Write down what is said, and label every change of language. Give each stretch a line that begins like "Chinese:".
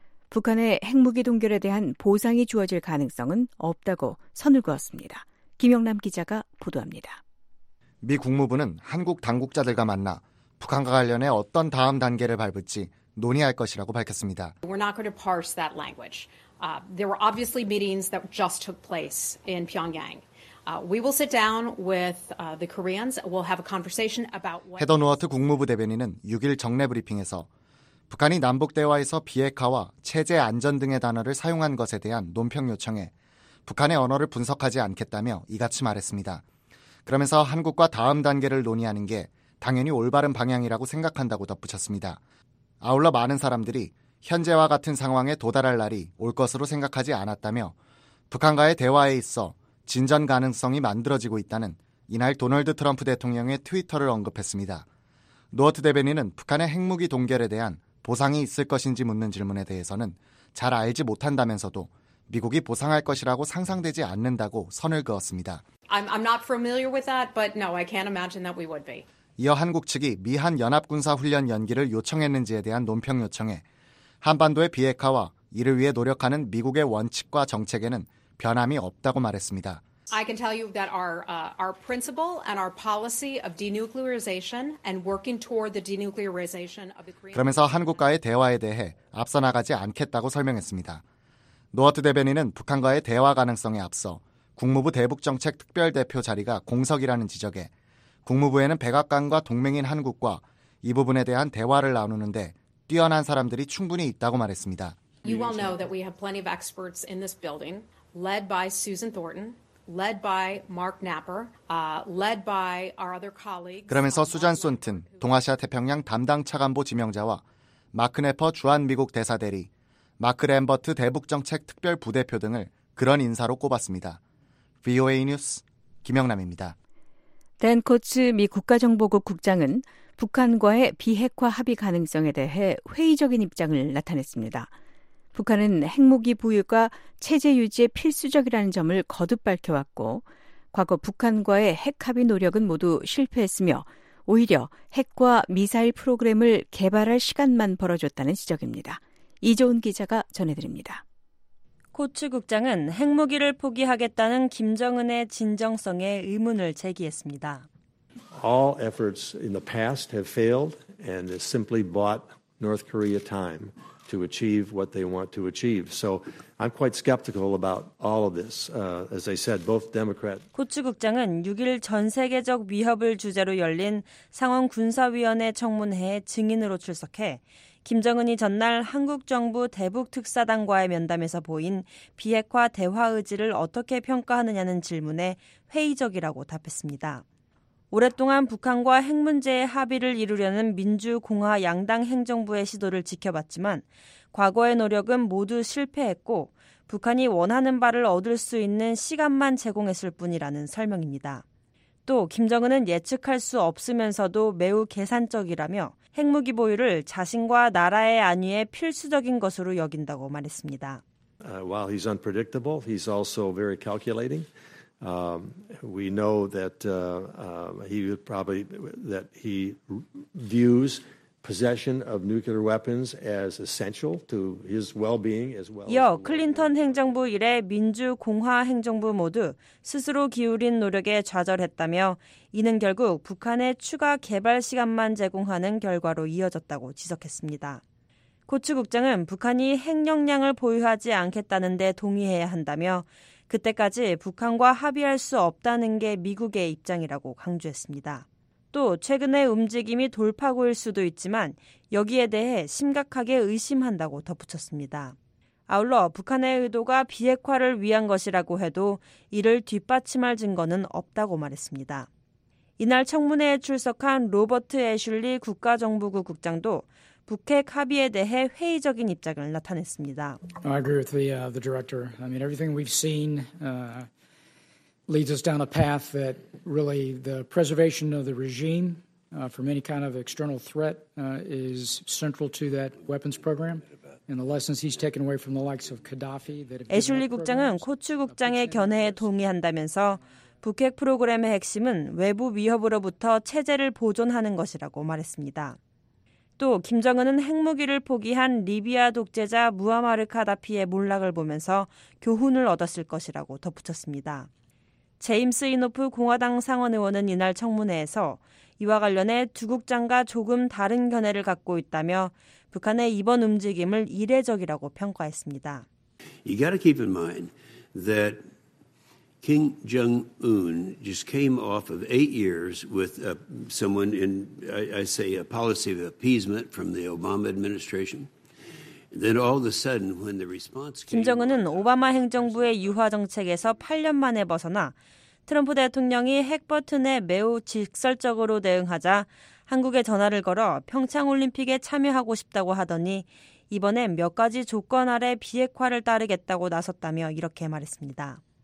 Korean: 북한의 핵무기 동결에 대한 보상이 주어질 가능성은 없다고 선을 그었습니다. 김영남 기자가 보도합니다. 미 국무부는 한국 당국자들과 만나 북한과 관련해 어떤 다음 단계를 밟을지 논의할 것이라고 밝혔습니다.
English: We're not going to parse that language. There were obviously meetings that just took place in Pyongyang. We will sit down with the Koreans. We'll have a conversation about.
Korean: 헤더 노어트 국무부 대변인은 6일 정례 브리핑에서 북한이 남북대화에서 비핵화와 체제 안전 등의 단어를 사용한 것에 대한 논평 요청에 북한의 언어를 분석하지 않겠다며 이같이 말했습니다. 그러면서 한국과 다음 단계를 논의하는 게 당연히 올바른 방향이라고 생각한다고 덧붙였습니다. 아울러 많은 사람들이 현재와 같은 상황에 도달할 날이 올 것으로 생각하지 않았다며 북한과의 대화에 있어 진전 가능성이 만들어지고 있다는 이날 도널드 트럼프 대통령의 트위터를 언급했습니다. 노어트 대변인은 북한의 핵무기 동결에 대한 보상이 있을 것인지 묻는 질문에 대해서는 잘 알지 못한다면서도 미국이 보상할 것이라고 상상되지 않는다고 선을 그었습니다.
English: I'm not familiar with that, but no, I can't imagine that we would be.
Korean: 이어 한국 측이 미한 연합군사 훈련 연기를 요청했는지에 대한 논평 요청에 한반도의 비핵화와 이를 위해 노력하는 미국의 원칙과 정책에는 변함이 없다고 말했습니다.
English: I can tell you that our principle and our policy of denuclearization and working toward the denuclearization of the Korean.
Korean: 그러면서 한국과의 대화에 대해 앞서 나가지 않겠다고 설명했습니다. 노어트 대변인은 북한과의 대화 가능성에 앞서 국무부 대북정책 특별대표 자리가 공석이라는 지적에 국무부에는 백악관과 동맹인 한국과 이 부분에 대한 대화를 나누는데 뛰어난 사람들이 충분히 있다고 말했습니다.
English: You well know that we have plenty of experts in this building, led by Susan Thornton, led by Mark Knapper, led by our other colleagues.
Korean: 그러면서 수잔 손튼, 동아시아 태평양 담당 차관보 지명자와 마크 네퍼 주한미국 대사대리, 마크 램버트 대북정책 특별부대표 등을 그런 인사로 꼽았습니다. VOA 뉴스 김영남입니다. 댄 코츠 미 국가정보국 국장은 북한과의 비핵화 합의 가능성에 대해 회의적인 입장을 나타냈습니다. 북한은 핵무기 보유가 체제 유지에 필수적이라는 점을 거듭 밝혀왔고 과거 북한과의 핵합의 노력은 모두 실패했으며 오히려 핵과 미사일 프로그램을 개발할 시간만 벌어줬다는 지적입니다. 이조은 기자가 전해드립니다. 코츠 국장은 핵무기를 포기하겠다는 김정은의 진정성에 의문을 제기했습니다.
English: All efforts in the past have failed and it simply bought North Korea time to achieve what they want to achieve. So I'm quite skeptical about all of this. As I said, both Democrat.
Korean: 코츠 국장은 6일 전 세계적 위협을 주제로 열린 상원 군사위원회 청문회에 증인으로 출석해 김정은이 전날 한국 정부 대북특사단과의 면담에서 보인 비핵화 대화 의지를 어떻게 평가하느냐는 질문에 회의적이라고 답했습니다. 오랫동안 북한과 핵 문제의 합의를 이루려는 민주공화 양당 행정부의 시도를 지켜봤지만 과거의 노력은 모두 실패했고 북한이 원하는 바를 얻을 수 있는 시간만 제공했을 뿐이라는 설명입니다. 또 김정은은 예측할 수 없으면서도 매우 계산적이라며 핵무기 보유를 자신과 나라의 안위에 필수적인 것으로 여긴다고 말했습니다.
English: While he's unpredictable, he's also very calculating. We know that he views possession of nuclear weapons as essential to his well-being as well.
Korean: 이어 클린턴 행정부 이래 민주 공화 행정부 모두 스스로 기울인 노력에 좌절했다며 이는 결국 북한의 추가 개발 시간만 제공하는 결과로 이어졌다고 지적했습니다. 코츠 국장은 북한이 핵 역량을 보유하지 않겠다는 데 동의해야 한다며 그때까지 북한과 합의할 수 없다는 게 미국의 입장이라고 강조했습니다. 또 최근의 움직임이 돌파구일 수도 있지만 여기에 대해 심각하게 의심한다고 덧붙였습니다. 아울러 북한의 의도가 비핵화를 위한 것이라고 해도 이를 뒷받침할 증거는 없다고 말했습니다. 이날 청문회에 출석한 로버트 애슐리 국가정보국 국장도 북핵 합의에 대해 회의적인 입장을 나타냈습니다.
English: I agree with the director. I mean, everything we've seen leads us down a path that really the preservation of the regime from any kind of external threat is central to that weapons program. And the lessons he's taken away from the likes of Gaddafi.
Korean: 애슐리 국장은 코츠 국장의 견해에 동의한다면서 북핵 프로그램의 핵심은 외부 위협으로부터 체제를 보존하는 것이라고 말했습니다. 또 김정은은 핵무기를 포기한 리비아 독재자 무아마르 카다피의 몰락을 보면서 교훈을 얻었을 것이라고 덧붙였습니다. 제임스 이노프 공화당 상원 의원은 이날 청문회에서 이와 관련해 두 국장과 조금 다른 견해를 갖고 있다며 북한의 이번 움직임을 이례적이라고 평가했습니다.
English: You got to keep in mind that Kim Jong-un just came off of 8 years with someone in, I say, a policy of appeasement from the Obama administration. Then all of a sudden, when the response came,
Korean: 김정은은 오바마 행정부의 유화 정책에서 8년 만에 벗어나 트럼프 대통령이 핵 버튼에 매우 직설적으로 대응하자 한국에 전화를 걸어 평창올림픽에 참여하고 싶다고 하더니 이번엔 몇 가지 조건 아래 비핵화를 따르겠다고 나섰다며 이렇게 말했습니다.